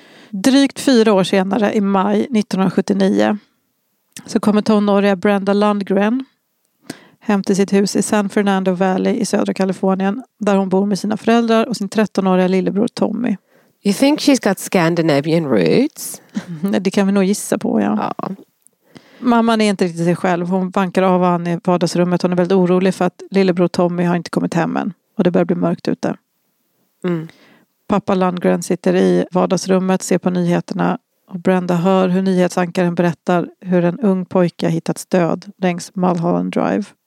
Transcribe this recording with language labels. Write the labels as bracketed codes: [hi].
[sv] Drygt 4 år senare, i maj 1979, så kommer tonåriga Brenda Lundgren hem till sitt hus i San Fernando Valley i södra Kalifornien, där hon bor med sina föräldrar och sin 13-åriga lillebror Tommy. [en] You think she's got Scandinavian roots? [sv] Det kan vi nog gissa på, ja. Mamman är inte riktigt sig själv. Hon vankar av han i vardagsrummet. Hon är väldigt orolig för att lillebror Tommy har inte kommit hem än. Och det börjar bli mörkt ute. Mm. Pappa Lundgren sitter i vardagsrummet, ser på nyheterna och Brenda hör hur nyhetsankaren berättar hur en ung pojke har hittats död längs Mulholland Drive.